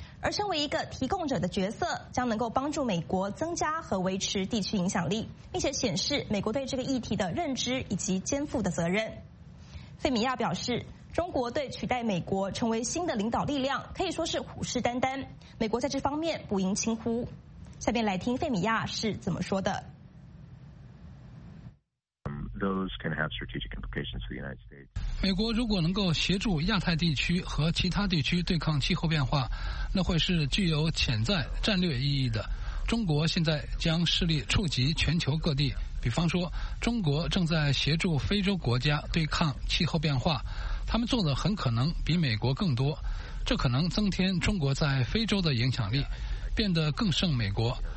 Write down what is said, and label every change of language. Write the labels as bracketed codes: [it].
[zh] 而身为一个提供者的角色，将能够帮助美国增加和维持地区影响力，并且显示美国对这个议题的认知以及肩负的责任。费米亚表示，中国对取代美国成为新的领导力量可以说是虎视眈眈，美国在这方面不应轻忽。下面来听费米亚是怎么说的。 [en] Those can have strategic implications for the United States. [zh] 美国如果能够协助亚太地区和其他地区对抗气候变化，那会是具有潜在战略意义的。中国现在将势力触及全球各地，比方说中国正在协助非洲国家对抗气候变化，他们做的很可能比美国更多，这可能增添中国在非洲的影响力，变得更胜美国。